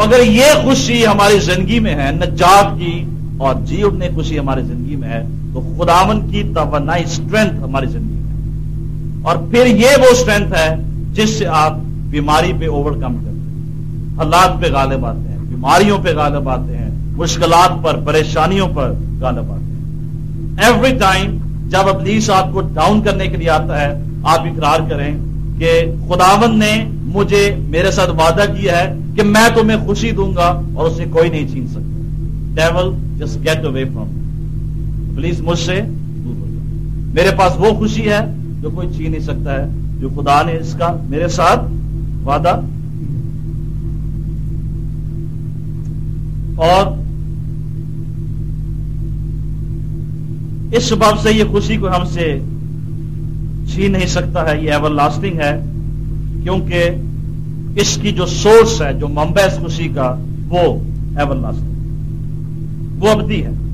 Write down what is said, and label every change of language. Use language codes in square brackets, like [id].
[ur] اگر یہ خوشی ہماری زندگی میں ہے, نجات کی اور جی اٹھنے خوشی ہماری زندگی میں ہے, تو خداوند کی توانائی اسٹرینتھ ہماری زندگی میں ہے, اور پھر یہ وہ اسٹرینتھ ہے جس سے آپ بیماری پہ اوور کم کرتے ہیں, حالات پہ غالب آتے ہیں, بیماریوں پہ غالب آتے ہیں, مشکلات پر, پریشانیوں پر غالب آتے ہیں. [en] every time [ur] جب ابلیس آپ کو ڈاؤن کرنے کے لیے آتا ہے, آپ اقرار کریں کہ خداوند نے مجھے میرے ساتھ وعدہ کیا ہے کہ میں تمہیں خوشی دوں گا اور اسے کوئی نہیں چھین سکتا. [en] Devil, just get away from me. [ur] Please مجھ سے دور ہو جاؤ. میرے پاس وہ خوشی ہے جو کوئی چھین نہیں سکتا ہے, جو خدا نے اس کا میرے ساتھ وعدہ. اور اس سبب سے یہ خوشی کو ہم سے چھین نہیں سکتا ہے, یہ ایور لاسٹنگ ہے, کیونکہ اس کی جو سورس ہے, جو منبع اس خوشی کا, وہ ایور لاسٹنگ, وہ ابدی ہے.